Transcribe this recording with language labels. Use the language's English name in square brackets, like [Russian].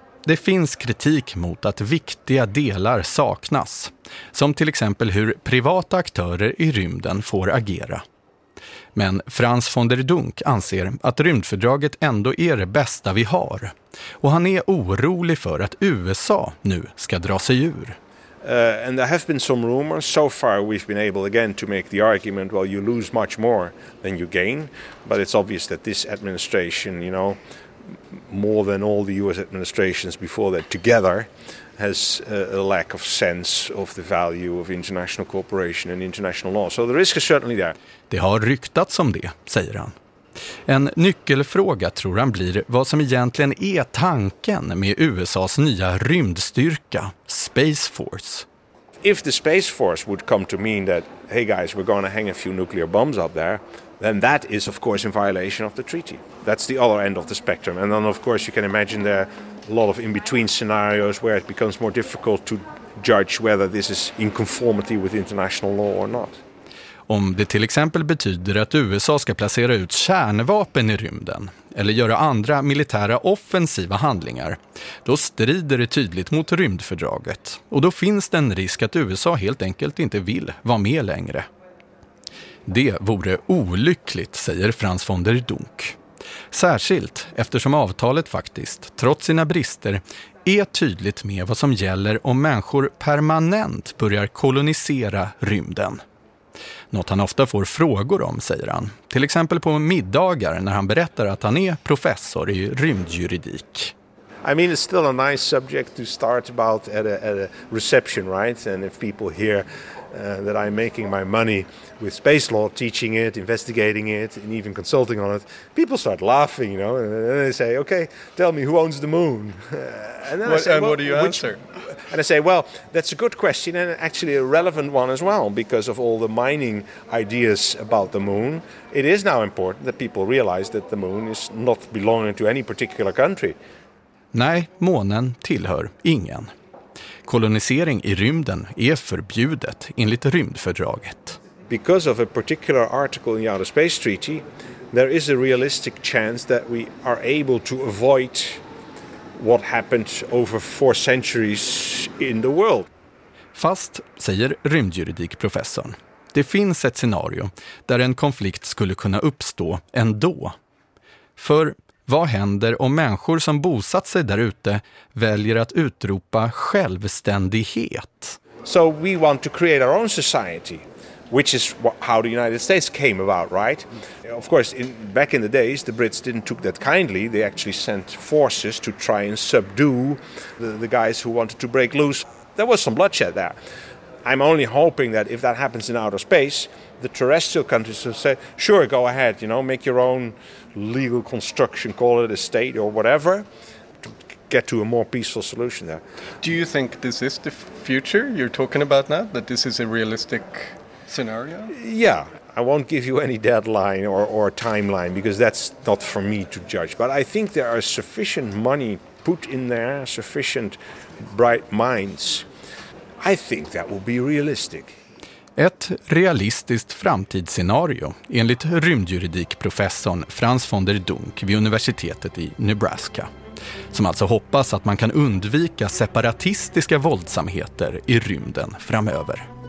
[Swedish] Det finns kritik mot att viktiga delar saknas, som till exempel hur privata aktörer i rymden får agera. Men Frans von der Dunk anser att rymdfördraget ändå är det bästa vi har. Och han är orolig för att USA nu ska dra sig ur. [English] And there have been some rumors. So far we've been able again to make the argument, well, you lose much more than you gain. But it's obvious that this administration, you know, more than all the US administrations before that together, has a lack of sense of the value of international cooperation and international law. So the risk is certainly there. [Swedish] Det har ryktats om det, säger han. En nyckelfråga tror han blir vad som egentligen är tanken med USA:s nya rymdstyrka, Space Force. [English] If the Space Force would come to mean that, hey guys, we're going to hang a few nuclear bombs up there, then that is of course in violation of the treaty. That's the other end of the spectrum. And then of course you can imagine there a lot of in-between scenarios where it becomes more difficult to judge whether this is in conformity with international law or not. [Swedish] Om det till exempel betyder att USA ska placera ut kärnvapen i rymden eller göra andra militära offensiva handlingar, då strider det tydligt mot rymdfördraget. Och då finns det en risk att USA helt enkelt inte vill vara med längre. Det vore olyckligt, säger Frans von der Dunk. Särskilt eftersom avtalet faktiskt, trots sina brister, är tydligt med vad som gäller om människor permanent börjar kolonisera rymden. Något han ofta får frågor om, säger han. Till exempel på middagar när han berättar att han är professor i rymdjuridik. [English] I mean, it's still a nice subject to start about at a reception, right? And if people hear that I'm making my money with space law, teaching it, investigating it, and even consulting on it, people start laughing, you know, and then they say, okay, tell me, who owns the moon? And what do you answer? And I say, well, that's a good question, and actually a relevant one as well, because of all the mining ideas about the moon. It is now important that people realize that the moon is not belonging to any particular country. [Swedish] Nej, månen tillhör ingen. Kolonisering i rymden är förbjudet enligt rymdfördraget. [English] Because of a particular article in the Outer Space Treaty, there is a realistic chance that we are able to avoid what happened over four centuries in the world. [Swedish] Fast, säger rymdjuridikprofessorn, det finns ett scenario där en konflikt skulle kunna uppstå ändå. För vad händer om människor som bosatt sig där ute väljer att utropa självständighet? [English] So we want to create our own society, which is how the United States came about, right? Of course, back in the days, the Brits didn't take that kindly. They actually sent forces to try and subdue the guys who wanted to break loose. There was some bloodshed there. I'm only hoping that if that happens in outer space, the terrestrial countries will say, sure, go ahead, you know, make your own legal construction, call it a state or whatever, to get to a more peaceful solution there. Do you think this is the future you're talking about now, that this is a realistic scenario? Yeah, I won't give you any deadline or timeline, because that's not for me to judge. But I think there are sufficient money put in there, sufficient bright minds. I think that will be realistic. [Swedish] Ett realistiskt framtidsscenario enligt rymdjuridikprofessorn Frans von der Dunk vid universitetet i Nebraska, som alltså hoppas att man kan undvika separatistiska våldsamheter i rymden framöver.